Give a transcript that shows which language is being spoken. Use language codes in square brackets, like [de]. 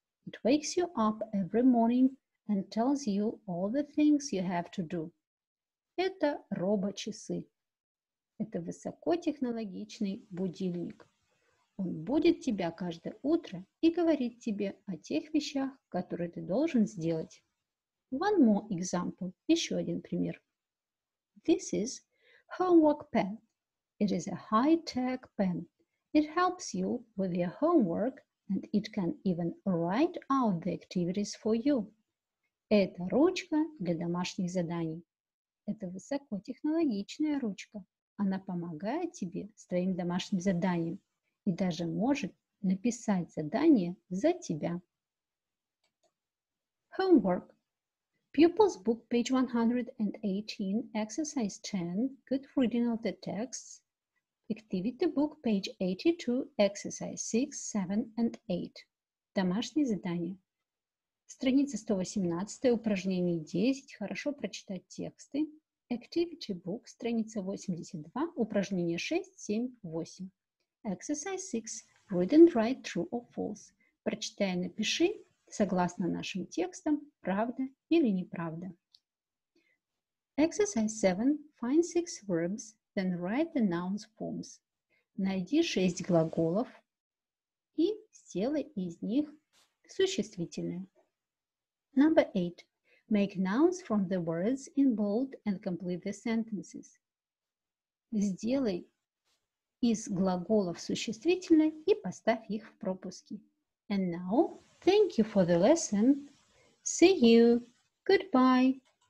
[en] It wakes you up every morning and tells you all the things you have to do. [ru] Это робочасы. Это высокотехнологичный будильник. Он будет тебя каждое утро и говорит тебе о тех вещах, которые ты должен сделать. [en] One more example. [ru] Еще один пример. [en] This is homework pen. It is a high-tech pen. It helps you with your homework and it can even write out the activities for you. [ru] Это ручка для домашних заданий. Это высокотехнологичная ручка. Она помогает тебе с твоим домашним заданием и даже может написать задание за тебя. [en] Homework. Pupil's book, page 118, exercise 10, good reading of the texts. Activity book, page 82, exercise 6, 7, and 8. [ru] Домашнее задание. Страница 118, упражнение 10, хорошо прочитать тексты. Activity book, страница 82, упражнение 6, 7, 8. [en] Exercise 6, read and write true or false. [ru] Прочитай и напиши. Согласно нашим текстам, правда или неправда. [en] Exercise 7. Find 6 verbs, then write the noun forms. [ru] Найди 6 глаголов и сделай из них существительные. [en] Number 8. Make nouns from the words in bold and complete the sentences. [ru] Сделай из глаголов существительные и поставь их в пропуски. [en] And now, thank you for the lesson. See you. Goodbye.